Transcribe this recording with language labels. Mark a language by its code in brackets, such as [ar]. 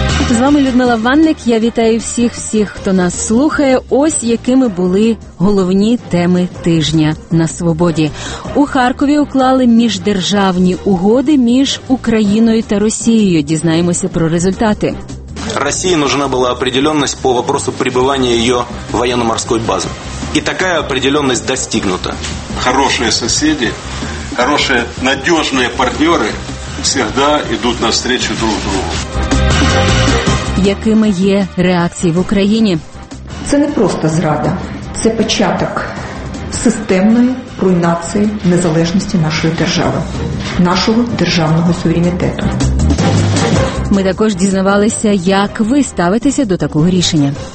[uk] З вами Людмила Ванник. Я вітаю всіх, хто нас слухає. Ось якими були головні теми тижня на свободі. У Харкові уклали міждержавні угоди між Україною та Росією. Дізнаємося про результати. [ru] Росії нужна була определенность по вопросу прибывания ее военно-морской базы. И такая определенность достигнута. Хорошие соседи, хорошие, надежные партнеры всегда идут навстречу друг другу. [uk] Якими є реакції в Україні? Це не просто зрада. Це початок системної руйнації незалежності нашої держави, нашого державного суверенітету. Ми також дізнавалися, як ви ставитеся до такого рішення.